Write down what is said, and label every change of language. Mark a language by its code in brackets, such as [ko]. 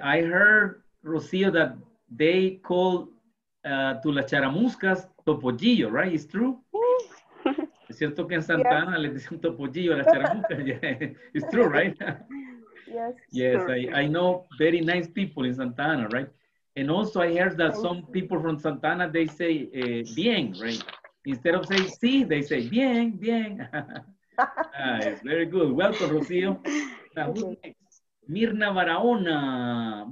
[en] I heard, Rocío, that they call to las charamuscas topollillo, right? It's true? [es] Es cierto que en Santa Ana le dicen topollillo a las charamuscas. [en] It's true, right? Yes. Yes, I know very nice people in Santa Ana, right? And also I heard that some people from Santa Ana, they say bien, right? Instead of saying sí, they say bien, bien. Nice. Very good. Welcome, Rocío. Now, who's next? Mirna Barahona.